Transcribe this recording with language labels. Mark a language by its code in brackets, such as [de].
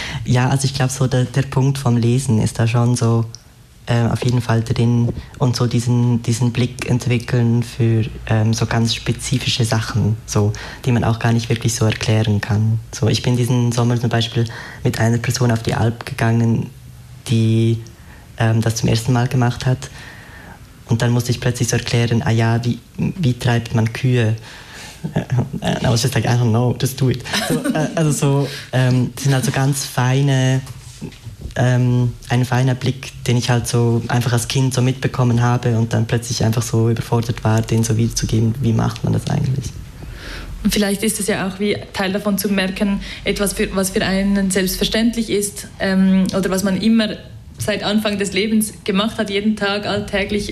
[de] Ja, also ich glaube, so der Punkt vom Lesen ist da schon so auf jeden Fall drin und so diesen Blick entwickeln für so ganz spezifische Sachen, so, die man auch gar nicht wirklich so erklären kann. So, ich bin diesen Sommer zum Beispiel mit einer Person auf die Alp gegangen, die das zum ersten Mal gemacht hat. Und dann musste ich plötzlich so erklären, ah ja, wie treibt man Kühe? [en] And I was just like, I don't know, just do it. [de] So, also so, das sind halt so ganz feine, ein feiner Blick, den ich halt so einfach als Kind so mitbekommen habe und dann plötzlich einfach so überfordert war, den so wiederzugeben, wie macht man das eigentlich? Und vielleicht ist es ja auch wie Teil davon zu merken, etwas, was für einen selbstverständlich ist oder was man immer seit Anfang des Lebens gemacht hat, jeden Tag, alltäglich.